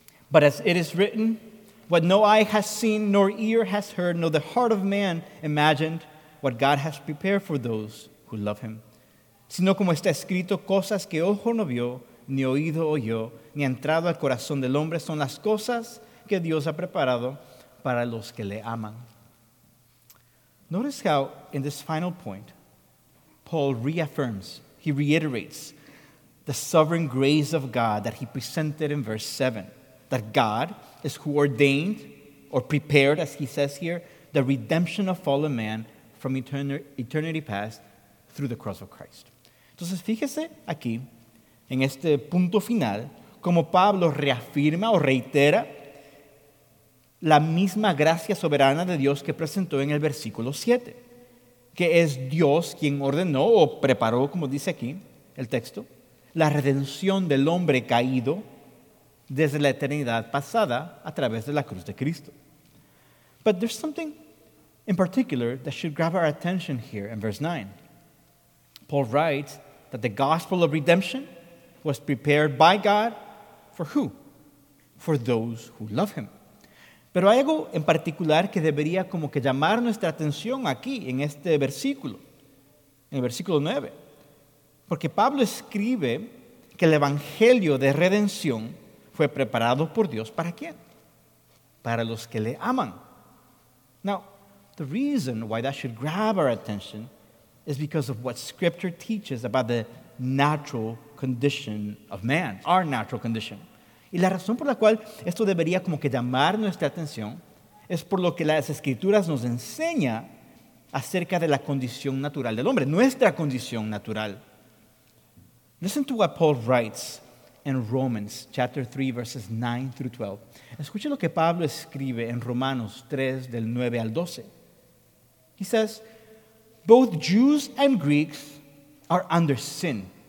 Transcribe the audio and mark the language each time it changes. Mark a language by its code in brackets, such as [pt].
[en] But as it is written, what no eye has seen, nor ear has heard, nor the heart of man imagined, what God has prepared for those who love him. [es] Sino como está escrito, cosas que ojo no vio, ni oído oyó, ni ha entrado al corazón del hombre, son las cosas que Dios ha preparado para los que le aman. [en] Notice how, in this final point, Paul reaffirms, he reiterates the sovereign grace of God that he presented in verse 7, that God is who ordained or prepared, as he says here, the redemption of fallen man from eternity past through the cross of Christ. [es] Entonces, fíjese aquí, en este punto final, como Pablo reafirma o reitera la misma gracia soberana de Dios que presentó en el versículo 7, que es Dios quien ordenó o preparó, como dice aquí el texto, la redención del hombre caído desde la eternidad pasada a través de la cruz de Cristo. [en] But there's something in particular that should grab our attention here in verse 9. Paul writes that the gospel of redemption was prepared by God for who? For those who love him. [es] Pero hay algo en particular que debería como que llamar nuestra atención aquí, en este versículo, en el versículo 9. Porque Pablo escribe que el evangelio de redención fue preparado por Dios, ¿para quién? Para los que le aman. [en] Now, the reason why that should grab our attention is because of what Scripture teaches about the natural condition of man, our natural condition. [es] Y la razón por la cual esto debería como que llamar nuestra atención es por lo que las Escrituras nos enseña acerca de la condición natural del hombre, nuestra condición natural. [en] Listen to what Paul writes in Romans chapter 3, verses 9 through 12. [es] Escuche lo que Pablo escribe en Romanos 3, del 9 al 12. [en] He says, both Jews and Greeks are under sin.